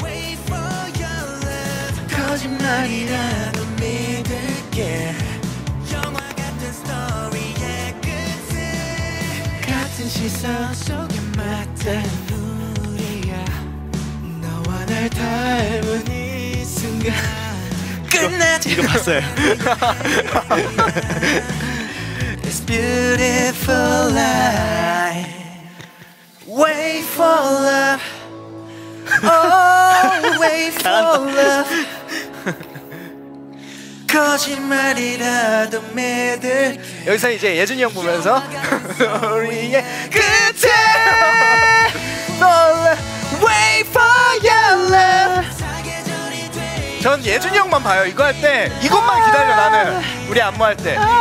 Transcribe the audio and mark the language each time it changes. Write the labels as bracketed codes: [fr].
[en] Wait for your love [ko] 거짓말이라도 믿을게 영화 같은 스토리의 끝에 같은 시선 속에 맞닿은 우리야 너와 날 닮은 이 순간 끝나지 이거 봤어요 [en] This beautiful life Wait for love Oh, wait for love [ko] 거짓말이라도 믿을게 여기서 이제 예준이 형 보면서 우리의 끝에 놀라 [en] Wait for your love [ko] 전 예준이 형만 봐요 이거 할 때 이것만 기다려 나는 우리 안무할 때